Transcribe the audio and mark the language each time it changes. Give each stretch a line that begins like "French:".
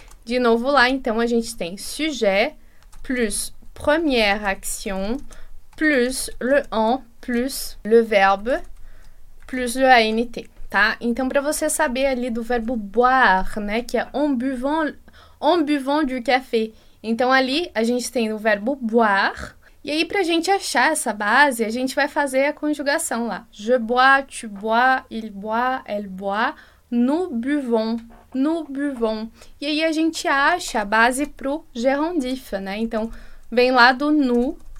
Portuguese: De novo lá, então, a gente tem
French: sujet plus première action, plus le en, plus le verbe, plus le ANT,
Portuguese: tá? Então, para você saber ali do verbo boire, né? Que é
French: en buvant du café.
Portuguese: Então, ali, a gente tem o verbo boire. E aí, para a gente achar essa base, a gente vai fazer a conjugação lá.
French: Je bois, tu bois, il boit, elle boit, nous buvons.
Portuguese: E aí, a gente acha a base pro gerundif, né? Então, vem lá do nous.